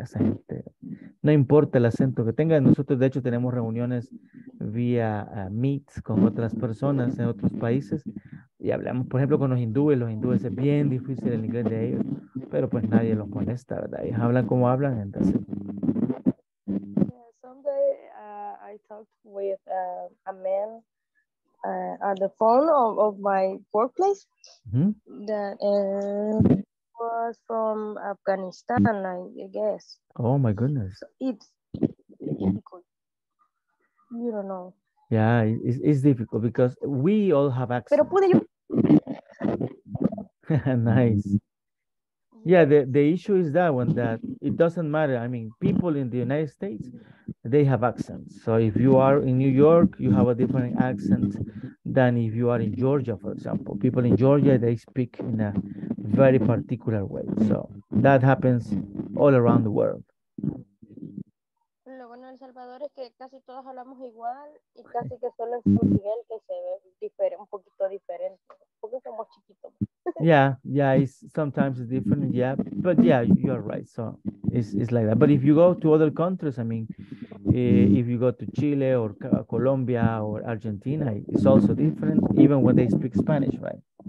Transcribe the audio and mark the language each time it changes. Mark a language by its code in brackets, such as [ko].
[es] Esa gente, no importa el acento que tenga, nosotros de hecho tenemos reuniones vía Meet con otras personas en otros países y hablamos, por ejemplo, con los hindúes es bien difícil el inglés de ellos, pero pues nadie los molesta, ¿verdad? Ellos hablan como hablan, entonces. [en] Yeah, someday I talked with a man on the phone of my workplace, that was from Afghanistan, I guess. Oh my goodness! So it's difficult. You don't know. Yeah, it's difficult because we all have accents. [es] Pero pude yo. [en] Nice. Yeah, the issue is that one, that it doesn't matter. I mean, people in the United States, they have accents. So if you are in New York, you have a different accent than if you are in Georgia, for example. People in Georgia, they speak in a very particular way. So that happens all around the world. [es] Lo bueno de El Salvador es que casi todos hablamos igual y casi que solo es un nivel que se ve un poquito diferente. Porque somos chiquitos. [en] Yeah, it's sometimes it's different, yeah, but yeah, you are right, so it's like that. But if you go to other countries, I mean, if you go to Chile or Colombia or Argentina, it's also different, even when they speak Spanish, right?